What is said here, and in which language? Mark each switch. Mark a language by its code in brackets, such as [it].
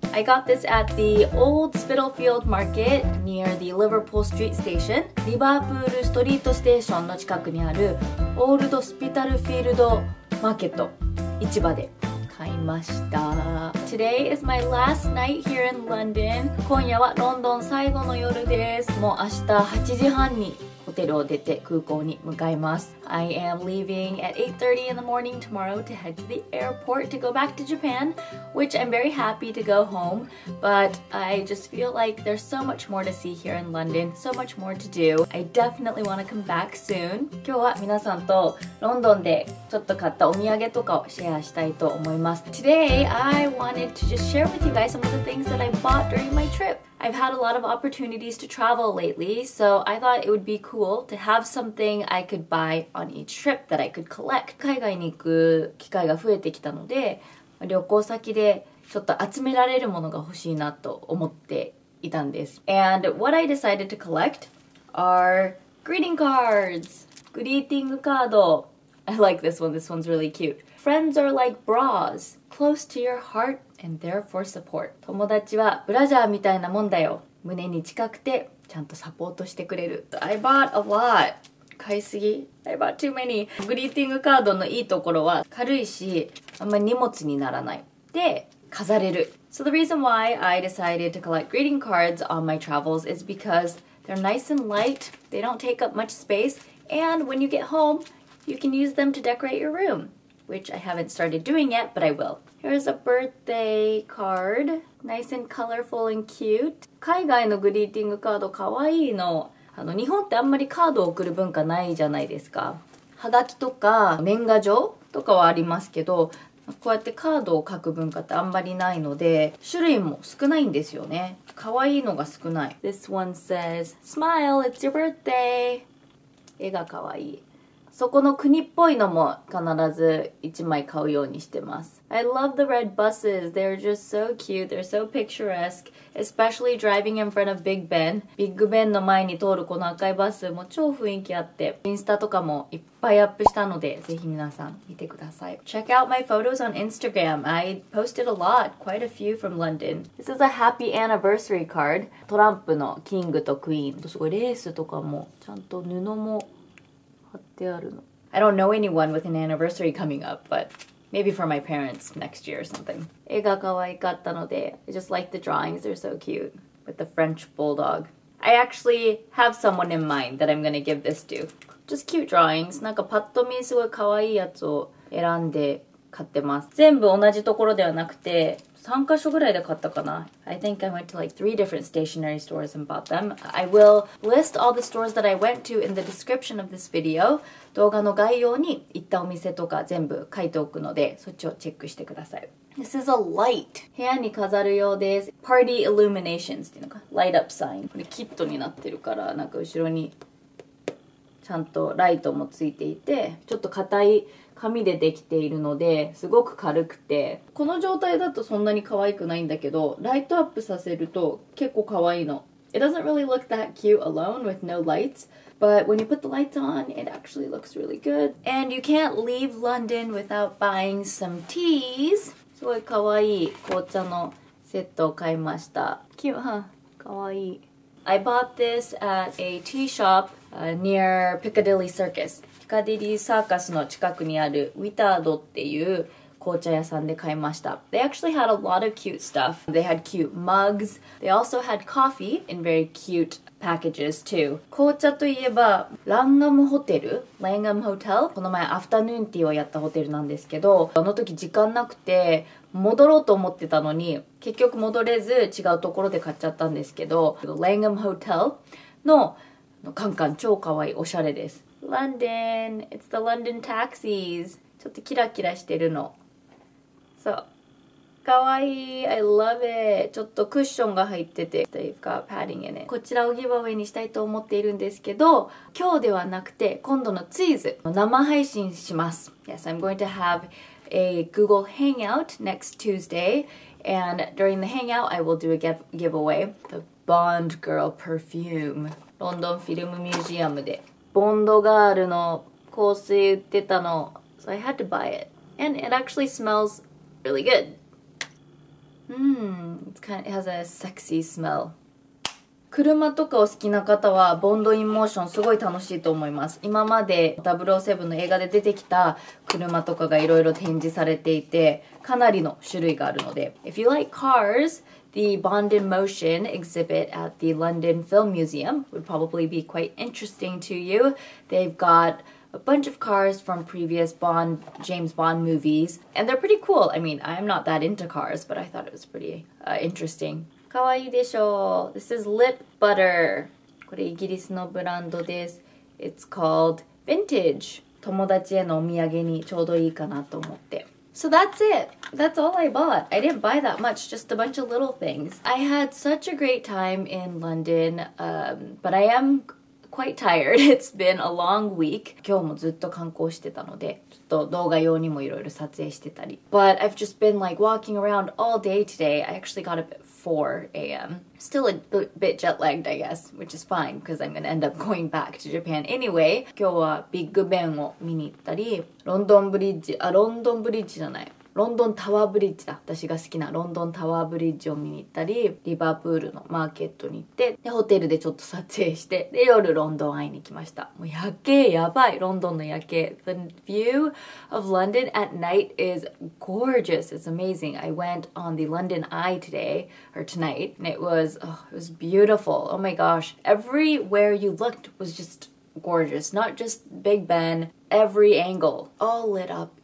[en] I got this at the old Spitalfield Market near the Liverpool Street Station. [ja] リバープールストリートステーションの近くにあるオールドスピタルフィールドマーケット市場で買いました。 [en] Today is my last night here in London. [ja] 今夜はロンドン最後の夜です。もう明日8時半にホテルを出て空港に向かいます。 [en] I am leaving at 8:30 in the morning tomorrow to head to the airport to go back to Japan, which I'm very happy to go home. But I just feel like there's so much more to see here in London, so much more to do. I definitely want to come back soon. [ja] 今日は皆さんとロンドンでちょっと買ったお土産とかをシェアしたいと思います。 [en] Today, I wanted to just share with you guys some of the things that I bought during my trip. I've had a lot of opportunities to travel lately, so I thought it would be cool to have something I could buy on each trip that I could collect. [ja] 海外に行く機会が増えてきたので、旅行先でちょっと集められるものが欲しいなと思っていたんです。 [en] And what I decided to collect are greeting cards. [ja] グリーティングカード。 [en] I like this one. This one's really cute. Friends are like bras, close to your heart. And therefore support. [ja] 友達はブラジャーみたいなもんだよ。胸に近くてちゃんとサポートしてくれる。 [en] I bought a lot. [ja] 買いすぎ。 [en] I bought too many. [ja] グリーティングカードのいいところは軽いし、あんま荷物にならない。で、飾れる。 [en] So the reason why I decided to collect greeting cards on my travels is because they're nice and light, they don't take up much space, and when you get home, you can use them to decorate your room. Which I haven't started doing yet, but I will. Here's a birthday card. Nice and colorful and cute. [ja] 海外のグリーティングカードかわいいの。日本ってあんまりカードを送る文化ないじゃないですか。はがきとか年賀状とかはありますけど、こうやってカードを書く文化ってあんまりないので、種類も少ないんですよね。かわいいのが少ない。 [en] This one says, Smile, it's your birthday. [ja] 絵がかわいい。そこの国っぽいのも必ず一枚買うようにしてます。 [en] I love the red buses. They're just so cute. They're so picturesque. Especially driving in front of Big Ben. [ja] ビッグベンの前に通るこの赤いバスも超雰囲気あって。インスタとかもいっぱいアップしたので、ぜひ皆さん見てください。 [en] Check out my photos on Instagram. I posted a lot. Quite a few from London. This is a happy anniversary card. [ja] トランプのキングとクイーン。すごいレースとかも、ちゃんと布も。 [en] I don't know anyone with an anniversary coming up, but maybe for my parents next year or something. [ja] 絵が可愛かったので、 [en] I just like the drawings, they're so cute. With the French bulldog. I actually have someone in mind that I'm gonna give this to. Just cute drawings. [ja] なんかパッと見すごい可愛いやつを選んで買ってます。全部同じところではなくて、3カ所ぐらいで買ったかな。 [en] I think I went to like 3 different stationery stores and bought them. I will list all the stores that I went to in the description of this video. [ja] 動画の概要に行ったお店とか全部書いておくので、そっちをチェックしてください。 [en] This is a light. [ja] 部屋に飾るようです。 [en] Party illuminations [ja] っていうのか。 [en] Light up sign. [ja] これキットになってるから、なんか後ろにちゃんとライトもついていて、ちょっと硬い紙でできているので、すごく軽くて、この状態だとそんなに可愛くないんだけど、ライトアップさせると結構可愛いの。 [en] It doesn't really look that cute alone with no lights, but when you put the lights on, it actually looks really good. And you can't leave London without buying some teas. [ja] すごい可愛い紅茶のセットを買いました。 [en] Cute, huh? [ja] 可愛い。 [en] I bought this at a tea shop, near Piccadilly Circus. [ja] ピカディリーサーカスの近くにあるウィタードっていう紅茶屋さんで買いました。 [en] They actually had a lot of cute stuff. They had cute mugs. They also had coffee in very cute packages too. [ja] 紅茶といえばランガムホテル [en] Langham Hotel. [ja] この前アフタヌーンティーをやったホテルなんですけど、あの時時間なくて戻ろうと思ってたのに、結局戻れず違うところで買っちゃったんですけど、 [en] Langham Hotel [ja] のカンカン超かわいい、おしゃれです。 [en] London! It's the London taxis! [ja] ちょっとキラキラしてるの。そう。かわいい ! [en] I love it! [ja] ちょっとクッションが入ってて。 [en] They've got padding in it. [ja] こちらをギブアウェイにしたいと思っているんですけど、今日ではなくて、今度のツイーズ生配信します。 [en] Yes, I'm going to have a Google Hangout next Tuesday, and during the Hangout, I will do a giveaway. The Bond Girl Perfume。 [ja] ロンドンフィルムミュージアムでボンドガールの香水売ってたの。 [en] So I had to buy it. And it actually smells really good. It's kind of, it has a sexy smell. [ja] 車とかを好きな方はボンドインモーションすごい楽しいと思います。今まで007の映画で出てきた車とかがいろいろ展示されていて、かなりの種類があるので。 [en] If you like cars, the Bond in Motion exhibit at the London Film Museum would probably be quite interesting to you. They've got a bunch of cars from previous Bond, James Bond movies, and they're pretty cool. I mean, I'm not that into cars, but I thought it was pretty interesting. [ja] かわいいでしょう。 [en] This is lip butter. [ja] これイギリスのブランドです。 [en] It's called Vintage. [ja] 友達へのお土産にちょうどいいかなと思って。 [en] So that's it. That's all I bought. I didn't buy that much, just a bunch of little things. I had such a great time in London, but I am quite tired. It's been a long week. [ja] 今日もずっと観光してたので、ちょっと動画用にもいろいろ撮影してたり。 [en] But I've just been like walking around all day today. I actually got a bit4 a.m. Still a bit jet lagged, I guess, which is fine because I'm gonna end up going back to Japan anyway. [ja] 今日はビッグベンを見に行ったり、ロンドンブリッジ、あ、ロンドンブリッジじゃない。ロンドンタワーブリッジだ。私が好きなロンドンタワーブリッジを見に行ったり、リバープールのマーケットに行って、でホテルでちょっと撮影して、で夜ロンドン会いに来ました。もう夜景やばい。ロンドンの夜景。 [en] The view of London at night is gorgeous. It's amazing. I went on the London Eye today, or tonight, and it was beautiful. Oh my gosh. Everywhere you looked was just gorgeous. Not just Big Ben. Every angle. All lit up.